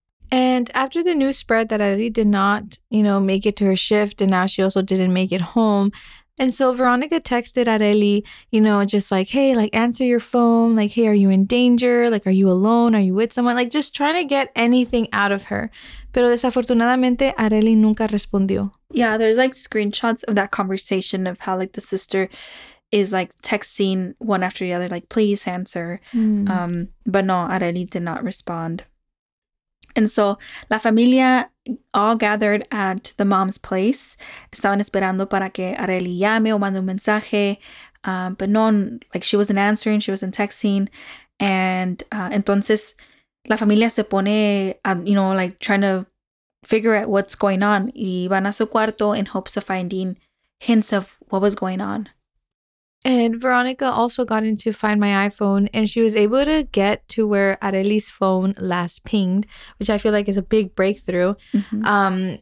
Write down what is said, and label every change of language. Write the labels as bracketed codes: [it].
[en] And after the news spread that Areli did not, you know, make it to her shift and now she also didn't make it home. And so Veronica texted Areli, you know, just like, hey, like, answer your phone. Like, hey, are you in danger? Like, are you alone? Are you with someone? Like, just trying to get anything out of her. [es] Pero desafortunadamente, Areli nunca respondió. [en] Yeah, there's, like, screenshots of that conversation of how, like, the sister is, like, texting one after the other, like, please answer. Mm. But no, Areli did not respond. And so La Familia all gathered at the mom's place. [es] Estaban esperando para que Areli llame o mande un mensaje. [en] But no, like she wasn't answering. She wasn't texting. And [es] entonces La Familia se pone, [en] you know, like trying to figure out what's going on. [es] Y van a su cuarto [en] in hopes of finding hints of what was going on. And Veronica also got into Find My iPhone and she was able to get to where Areli's phone last pinged, which I feel like is a big breakthrough. Mm-hmm.